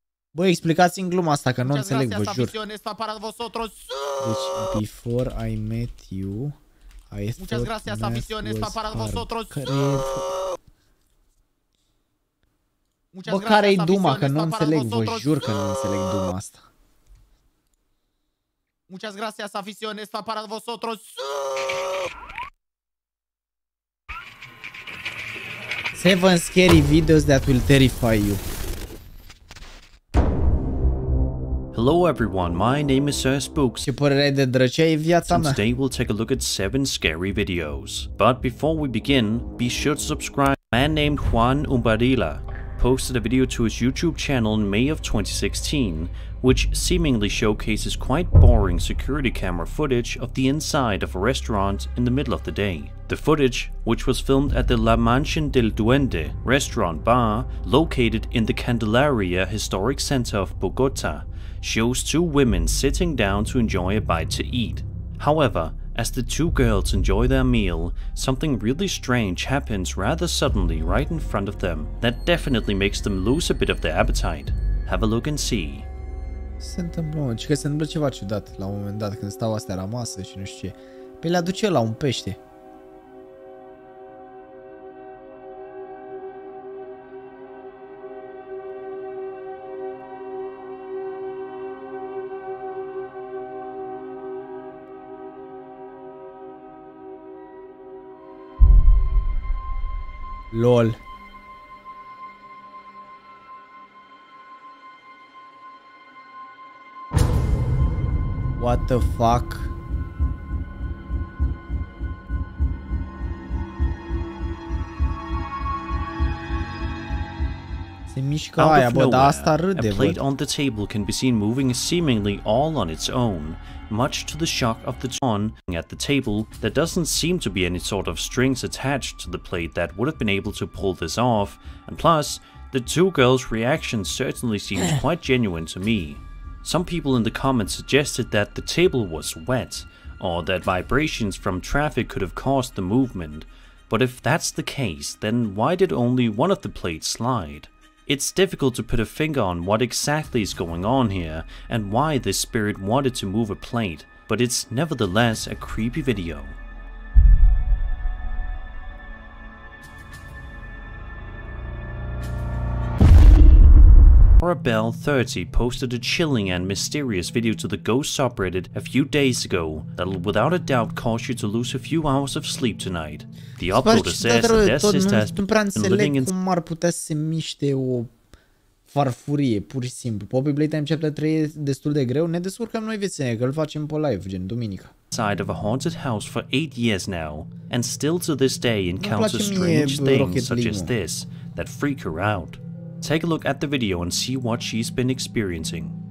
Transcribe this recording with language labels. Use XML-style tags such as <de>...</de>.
<ro>Băi, explicați-mi gluma asta, că nu înțeleg, vă jur.</ro> <es>Para vosotros.</es> <en>Deci, before I met you, I thought math was hard.</en> <ro>Bă, care-i duma? Că nu înțeleg, vă jur că nu înțeleg duma asta.</ro> <es>Muchas gracias, aficionista, para vosotros.</es> <en>Seven scary videos that will terrify you. Hello everyone, my name is Sir Spooks.</en> <ro>Ce părere ai de drăcea e viața mea?</ro> <en>Today we'll take a look at 7 scary videos. But before we begin, be sure to subscribe. A man named Juan Umbarila posted a video to his YouTube channel in May of 2016, which seemingly showcases quite boring security camera footage of the inside of a restaurant in the middle of the day. The footage, which was filmed at the La Mansión del Duende restaurant bar located in the Candelaria historic center of Bogota, shows two women sitting down to enjoy a bite to eat. However, as the two girls enjoy their meal, something really strange happens rather suddenly right in front of them that definitely makes them lose a bit of their appetite. Have a look and see.</en> <ro>Se întâmplă, mă, că se întâmplă ceva ciudat la un moment dat când stau astea rămasă și nu știu ce. Păi le aduce la un pește.</ro> <en>LOL. What the fuck?</en> <ro>Se mișcă aia, bă, dar asta râde, bă.</ro> <en>A plate on the table can be seen moving seemingly all on its own, much to the shock of the ton at the table. There doesn't seem to be any sort of strings attached to the plate that would have been able to pull this off, and plus, the two girls' reaction certainly seems quite genuine to me. Some people in the comments suggested that the table was wet, or that vibrations from traffic could have caused the movement, but if that's the case, then why did only one of the plates slide? It's difficult to put a finger on what exactly is going on here and why this spirit wanted to move a plate, but it's nevertheless a creepy video. Horabell30 posted a chilling and mysterious video to the Ghost subreddit a few days ago that'll without a doubt cause you to lose a few hours of sleep tonight. The uploader says that their sister has been living in...</en> <ro>cum ar putea să se miște o farfurie, pur și simplu. Poppy Playtime chapter 3 e destul de greu, ne descurcăm noi vițenie, că îl facem pe live, gen duminica.</ro> <en>...side of a haunted house for 8 years now, and still to this day encounters strange things such as this that freak her out. Take a look at the video and see what she's been experiencing.</en>